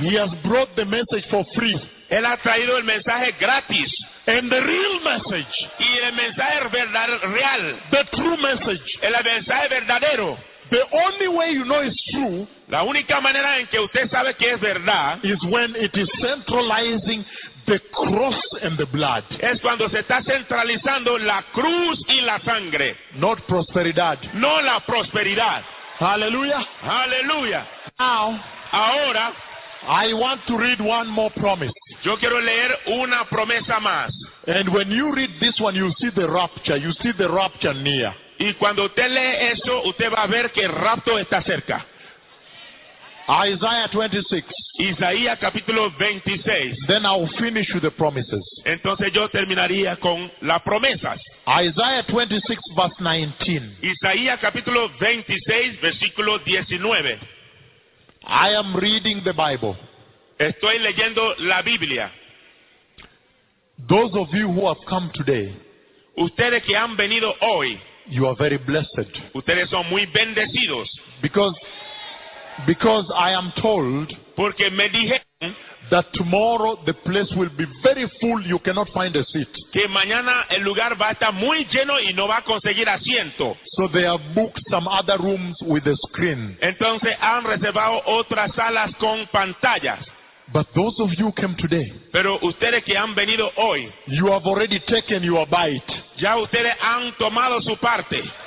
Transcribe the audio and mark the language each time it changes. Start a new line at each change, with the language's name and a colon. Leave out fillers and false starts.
English: He has brought the message for free.
Spanish: Él ha traído el mensaje gratis.
English: And the real message.
Spanish: Y el mensaje verdadero, real.
English: The true message.
Spanish: El mensaje verdadero.
English: The only way you know it's true,
Spanish: la única manera en que usted sabe que es verdad,
English: is when it is centralizing the cross and the blood.
Spanish: Es cuando se está centralizando la cruz y la sangre.
English: Not prosperidad.
Spanish: No la prosperidad. Hallelujah. Hallelujah.
English: Now,
Spanish: ahora,
English: I want to read one more promise.
Spanish: Yo quiero leer una promesa más.
English: And when you read this one, you see the rapture. You see the rapture near.
Spanish: Y cuando usted lee eso, usted va a ver que el rapto está cerca.
English: Isaiah 26.
Spanish: Isaías capítulo 26.
English: Then I'll finish with the promises.
Spanish: Entonces yo terminaría con las promesas.
English: Isaiah 26 verse 19.
Spanish: Isaías capítulo 26 versículo 19.
English: I am reading the Bible.
Spanish: Estoy leyendo la Biblia.
English: Those of you who have come today.
Spanish: Ustedes que han venido hoy.
English: You are very blessed.
Spanish: Ustedes son muy bendecidos.
English: Because I am told.
Spanish: Porque me dijeron.
English: That tomorrow the place will be very full. You cannot find a seat.
Spanish: Que mañana el lugar va a estar muy lleno y no va a conseguir asiento.
English: So they have booked some other rooms with a screen.
Spanish: Entonces han reservado otras salas con pantallas.
English: But those of you who came today,
Spanish: pero ustedes que han venido hoy,
English: you have already taken your bite.
Spanish: Ya ustedes han tomado su parte.